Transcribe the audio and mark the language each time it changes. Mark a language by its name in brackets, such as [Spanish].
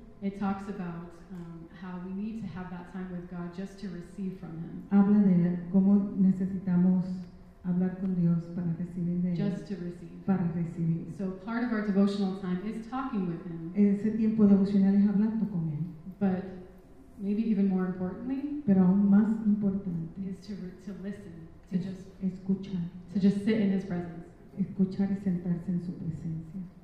[English] It talks about how we need to have that time with God just to receive from Him. [Spanish] Habla de cómo necesitamos hablar con Dios para recibir de él. [English] Just to receive. [Spanish] Para recibir. [English] So part of our devotional time is talking with Him. [Spanish] Ese tiempo devocional es hablando con él. [English] But maybe even more importantly, [Spanish] pero aún más importante, [English] is to listen, to es, just [Spanish] escuchar, [English] to just sit in His presence. [Spanish] Escuchar y sentarse en su presencia.